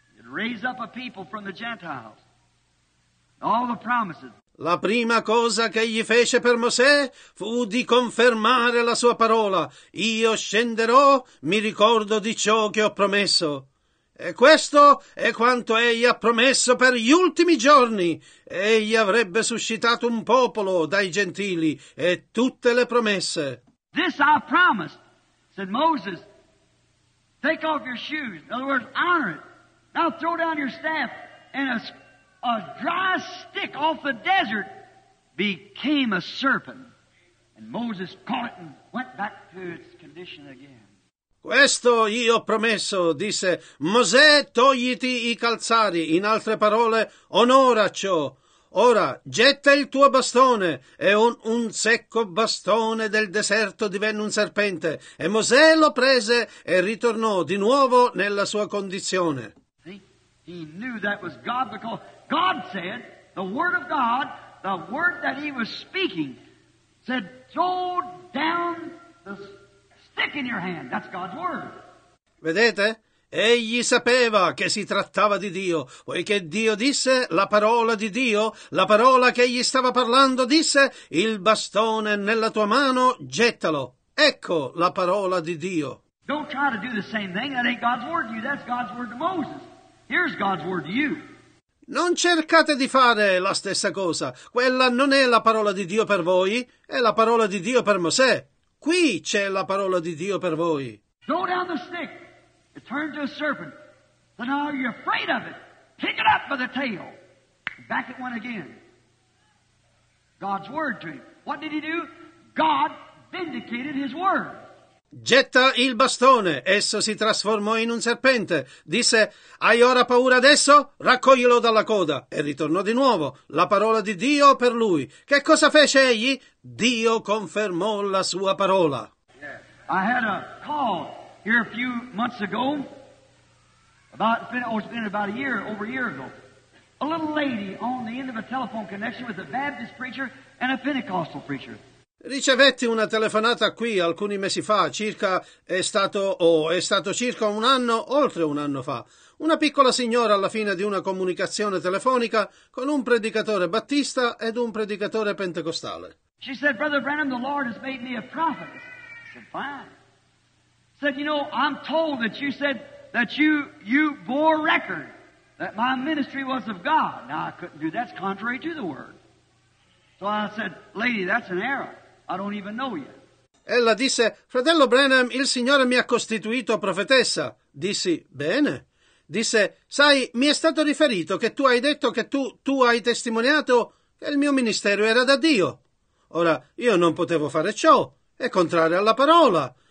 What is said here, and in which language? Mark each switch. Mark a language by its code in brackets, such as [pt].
[en] Raise up a people from the Gentiles. All the promises. [it] La prima cosa che egli fece per Mosè fu di confermare la sua parola. Io scenderò, mi ricordo di ciò che ho promesso. E questo è quanto egli ha promesso per gli ultimi giorni. Egli avrebbe suscitato un popolo dai gentili e tutte le promesse. [en] This I promised, said Moses. Take off your shoes. In other words, honor it. Now throw down your staff, and a dry stick off the desert became a serpent. And Moses caught it and went back to its condition again. [it] Questo io ho promesso, disse Mosè, togliti i calzari. In altre parole, onora ciò. Ora, getta il tuo bastone. E un secco bastone del deserto divenne un serpente. E Mosè lo prese e ritornò di nuovo nella sua condizione. [en] He knew that was God because God said, the word of God, the word that he was speaking, said, throw down the stick in your hand. That's God's word. [it] Vedete? Egli sapeva che si trattava di Dio, poiché Dio disse la parola di Dio, la parola che egli stava parlando disse, il bastone nella tua mano, gettalo. Ecco la parola di Dio. [en] Don't try to do the same thing. That ain't God's word to you. That's God's word to Moses. Here's God's word to you. [it] Non cercate di fare la stessa cosa. Quella non è la parola di Dio per voi, è la parola di Dio per Mosè. Qui c'è la parola di Dio per voi. [en] Throw down the stick. It turned to a serpent. But now you're afraid of it. Pick it up by the tail. Back it went again. God's word to him. What did he do? God vindicated his word. [it] Getta il bastone. Esso si trasformò in un serpente. Disse, hai ora paura adesso? Raccoglilo dalla coda. E ritornò di nuovo. La parola di Dio per lui. Che cosa fece egli? Dio confermò la sua parola. [en] I had a call here a few months ago. It's been about a year ago. A little lady on the end of a telephone connection with a Baptist preacher and a Pentecostal preacher. [it] Ricevetti una telefonata qui alcuni mesi fa, circa un anno fa. Una piccola signora alla fine di una comunicazione telefonica con un predicatore battista ed un predicatore pentecostale. [en] She said, Brother Branham, the Lord has made me a prophet. I said, fine. Said, you know, I'm told that you said that you bore record that my ministry was of God. Now, I couldn't do that. It's contrary to the word. So I said, lady, that's an error. I don't even know you. [it] Ella disse, fratello Branham, il Signore mi ha costituito profetessa. Dissi, bene. Disse, sai, mi è stato riferito che tu hai detto che tu hai testimoniato che il mio ministero era da Dio. Ora, io non potevo fare ciò, è contrario alla parola.